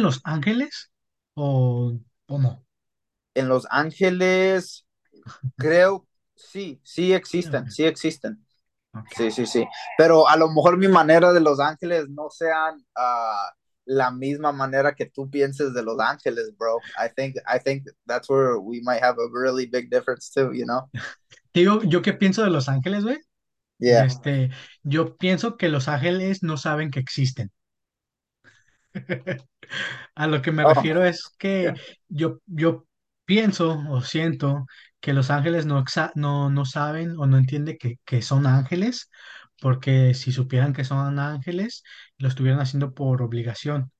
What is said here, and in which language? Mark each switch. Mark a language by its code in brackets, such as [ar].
[es] en los ángeles o no? en los ángeles creo, sí, sí existen, sí existen, sí, pero a lo mejor mi manera de los ángeles no sean la misma manera que tú pienses de los ángeles, bro. [en] I think that's where we might have a really big difference too, you know. [es] Digo, ¿yo qué pienso de los ángeles, güey? [en] Yeah. [es] Yo pienso que los ángeles no saben que existen. A lo que me Oh. refiero es que yo pienso o siento que los ángeles no saben o no entienden que son ángeles, porque si supieran que son ángeles, lo estuvieran haciendo por obligación.